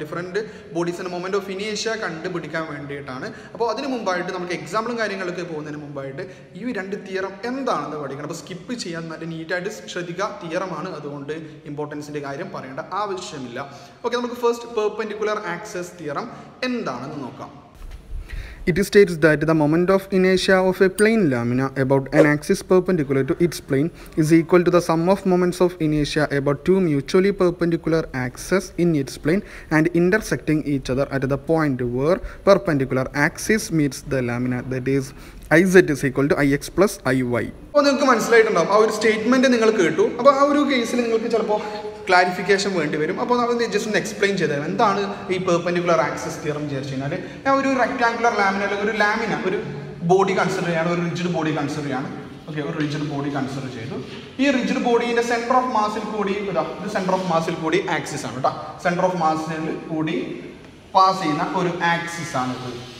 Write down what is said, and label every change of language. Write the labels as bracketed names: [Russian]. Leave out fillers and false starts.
[Malayalam] Different ബോഡീസിൻ്റെ moment of ഇനേഷ്യ കണ്ടുപിടിക്കാൻ വേണ്ടിയിട്ടാണ്. അപ്പോൾ അതിന് മുമ്പായിട്ട് നമുക്ക് എക്സാമ്പിളും കാര്യങ്ങളൊക്കെ പോകുന്നതിന് മുമ്പായിട്ട് ഈ രണ്ട് തിയറം എന്താണെന്ന് പഠിക്കണം. അപ്പോൾ സ്കിപ്പ് ചെയ്യാൻ നല്ല നീറ്റായിട്ട് ശ്രദ്ധിക്കുക, തിയറമാണ്. അതുകൊണ്ട് ഇമ്പോർട്ടൻസിൻ്റെ കാര്യം പറയേണ്ട ആവശ്യമില്ല. ഓക്കെ, നമുക്ക് ഫസ്റ്റ് പെർപെൻഡിക്കുലർ ആക്സസ് തിയറം എന്താണെന്ന് നോക്കാം. [English] It states that the moment of inertia of a plane lamina about an axis perpendicular to its plane is equal to the sum of moments of inertia about two mutually perpendicular axes in its plane and intersecting each other at the point where perpendicular axis meets the lamina, that is Iz is equal to Ix plus Iy. [Malayalam] അപ്പോൾ നിങ്ങൾക്ക് മനസ്സിലായിട്ടുണ്ടാവും, ആ ഒരു statement നിങ്ങൾ കേട്ടു. അപ്പോൾ ആ ഒരു കേസിൽ നിങ്ങൾക്ക് ചിലപ്പോൾ ക്ലാരിഫിക്കേഷൻ വേണ്ടി വരും. അപ്പോൾ നമ്മൾ ജസ്റ്റ് ഒന്ന് എക്സ്പ്ലെയിൻ ചെയ്തേക്കാം എന്താണ് ഈ പെർപെൻഡിക്കുലർ ആക്സസ് തിയറം എന്ന് വെച്ചാൽ. ഞാൻ ഒരു റെക്ടാങ്കുലർ ലാമിന, അല്ലെങ്കിൽ ഒരു ലാമിന, ഒരു ബോഡി കൺസിഡർ ചെയ്യാണ്, ഒരു റിജിഡ് ബോഡി കൺസിഡർ ചെയ്യാണ്. ഓക്കെ, ഒരു റിജിഡ് ബോഡി കൺസിഡർ ചെയ്തു. ഈ റിജിഡ് ബോഡീൻ്റെ സെൻറ്റർ ഓഫ് മാസിൽ കൂടി, ഇത് സെൻറ്റർ ഓഫ് മാസിൽ കൂടി ആക്സിസ് ആണ് കേട്ടോ, സെൻറ്റർ ഓഫ് മാസിൽ കൂടി പാസ് ചെയ്യുന്ന ഒരു ആക്സിസ് ആണിത്.